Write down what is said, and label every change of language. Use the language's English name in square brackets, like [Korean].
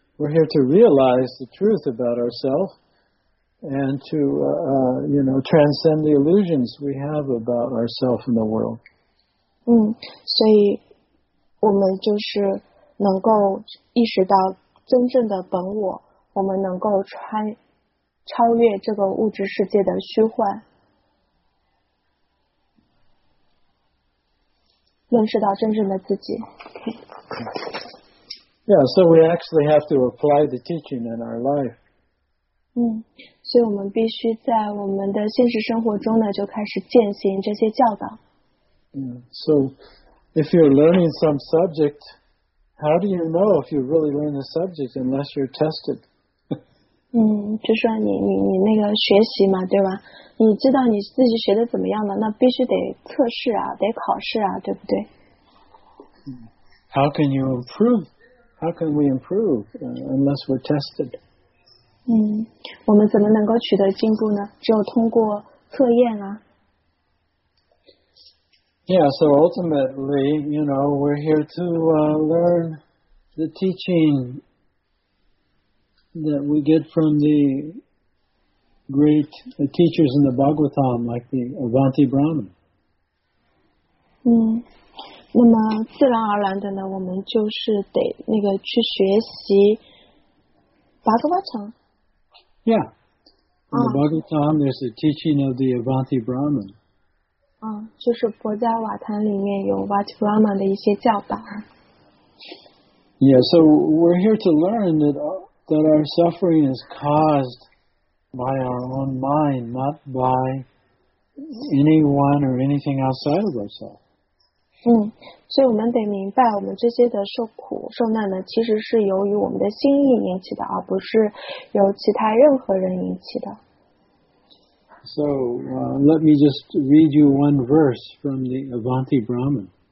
[English] We're here to realize the truth about ourselves and to, you know, transcend the illusions we have about ourselves in the world. [Chinese] 所以我们就是能够意识到真正的本我，我们能够超越这个物质世界的虚幻，认识到真正的自己。 [English] Yeah, so we actually have to apply the teaching in our life. [Chinese] 所以我们必须在我们的现实生活中呢，就开始践行这些教导。 [English] So if you're learning some subject, how do you know if you really learn the subject unless you're tested? [Chinese] 就说你那个学习嘛，对吧？你知道你自己学的怎么样了，那必须得测试啊，得考试啊，对不对？ [English] How can you improve? How can we improve unless we're tested? [Chinese] 我们怎么能够取得进步呢？只有通过测验啊。 [English] Yeah, so ultimately, you know, we're here to learn the teaching that we get from the great teachers in the Bhagavatam, like the Avanti Brahman. [Chinese] 那么自然而然的呢，我们就是得那个去学习巴格瓦城。 [English] Yeah, in the Bhagavatam, there's the teaching of the Avanti Brahman. [Chinese] 就是佛家瓦坛里面有 Avanti Brahman 的一些教导。 [English] Yeah, so we're here to learn that our suffering is caused by our own mind, not by anyone or anything outside of ourselves. [Chinese] 所以我们得明白我们这些的受苦受难呢其实是由于我们的心意引起的而不是由其他任何人引起的。 [English] So, let me just read you one verse from the Avanti Brahman.